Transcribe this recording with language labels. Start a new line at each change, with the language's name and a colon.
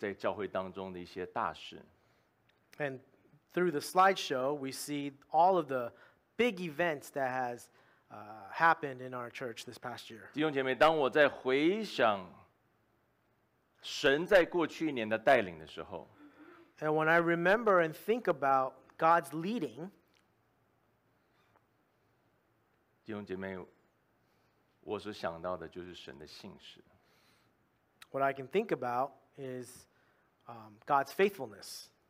Chinese: 甚至当我们刚刚借着这个影片，我们回顾过去在教会当中的一些大事。
English: And through the slideshow, we see all of the big events that has happened in our church this past year.
Chinese: 弟兄姐妹，当我在回想神在过去一年的带领的时候，
English: And when I remember and think about God's leading,
Chinese: 弟兄姐妹，我所想到的就是神的信实。
English: What I can think about is God's faithfulness.